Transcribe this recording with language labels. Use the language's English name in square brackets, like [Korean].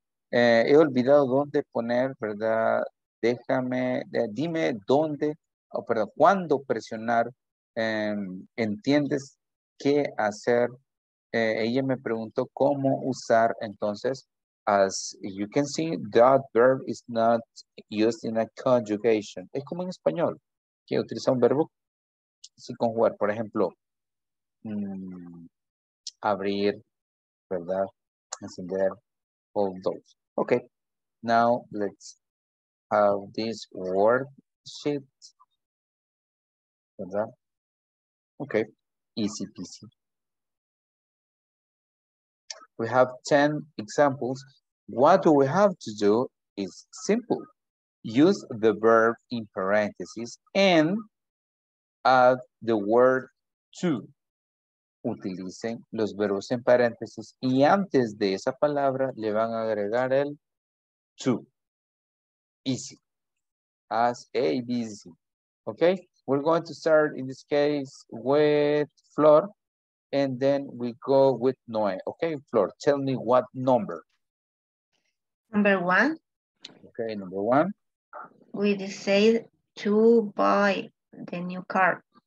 [Spanish] He olvidado dónde poner, ¿verdad? Dime dónde, cuándo presionar. ¿Entiendes qué hacer? Ella me preguntó cómo usar. [English] Entonces, as you can see, that verb is not used in a conjugation. [Spanish] Es como en español, que utiliza un verbo sin conjugar. Por ejemplo, abrir, ¿verdad? Encender, [English] all those. Okay, now let's have this worksheet. [Spanish] ¿Verdad? [English] Okay, easy peasy. We have 10 examples. What do we have to do is simple. Use the verb in parentheses and add the word to. [Spanish] Utilicen los verbos en paréntesis y antes de esa palabra le van a agregar el to. [English] Easy. As A, B, C. Okay? We're going to start in this case with Flor and then we go with Noe. Okay, Flor, tell me what number. Number one. Okay, number one. We decided to buy the new car.